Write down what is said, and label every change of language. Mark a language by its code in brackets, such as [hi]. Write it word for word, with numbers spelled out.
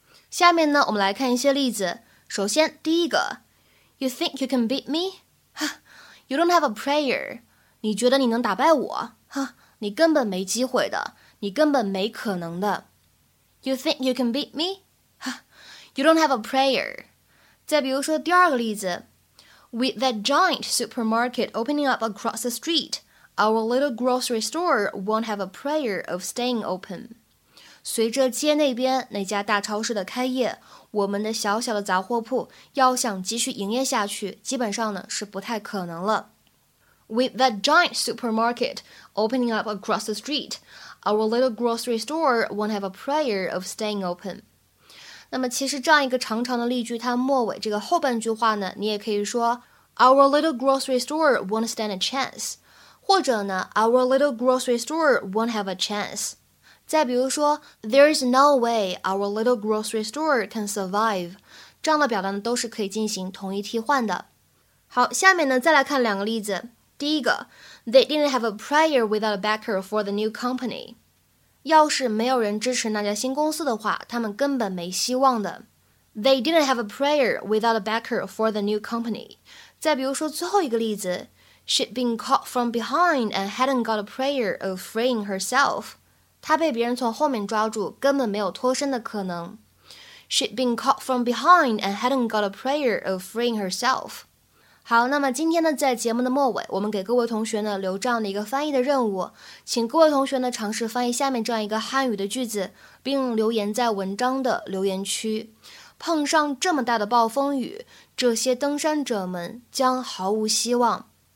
[zh] 下面呢，我们来看一些例子。首先，第一个 [en] You think you can beat me? You don't have a prayer. [zh] 你觉得你能打败我？哈，你根本没机会的，你根本没可能的。 [en] You think you can beat me? You don't have a prayer. [zh] 再比如说第二个例子 [en] With that giant supermarket opening up across the street, our little grocery store won't have a prayer of staying open. [zh] 随着街那边那家大超市的开业，我们的小小的杂货铺要想继续营业下去，基本上呢是不太可能了。 [en] With that giant supermarket opening up across the street, our little grocery store won't have a prayer of staying open. [zh] 那么其实这样一个长长的例句，它末尾这个后半句话呢，你也可以说 [en] Our little grocery store won't stand a chance， [zh] 或者呢 [en] Our little grocery store won't have a chance。 [zh] 再比如说 [en] There's no way our little grocery store can survive， [zh] 这样的表达呢都是可以进行同义替换的。好，下面呢再来看两个例子。第一个 [en] They didn't have a prayer without a backer for the new company， [zh] 要是没有人支持那家新公司的话，他们根本没希望的。 [en] They didn't have a prayer without a backer for the new company. [zh] 再比如说最后一个例子 [en] ，She'd been caught from behind and hadn't got a prayer of freeing herself. [zh] 她被别人从后面抓住，根本没有脱身的可能。 [en] She'd been caught from behind and hadn't got a prayer of freeing herself. [zh] 好，那么今天呢，在节目的末尾，我们给各位同学呢留这样的一个翻译的任务，请各位同学呢尝试翻译下面这样一个汉语的句子，并留言在文章的留言区。碰上这么大的暴风雨，这些登山者们将毫无希望。